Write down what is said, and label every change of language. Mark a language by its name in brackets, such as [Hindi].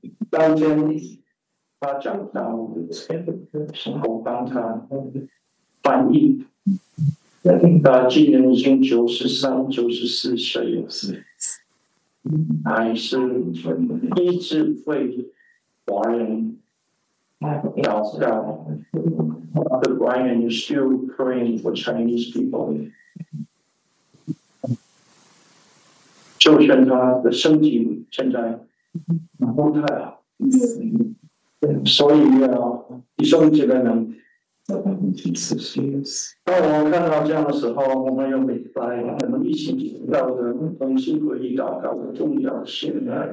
[Chinese] 当天他讲到神父帮他翻译，他今年已经93、94岁了，还是一直为华人祷告。 [English] Dr. Bryan is still praying for Chinese people。 [Chinese] 就算他的身体现在不太好，所以弟兄姐妹们，当我看到这样的时候，我们有明白我们一起听到的同心合一祷告的重要性。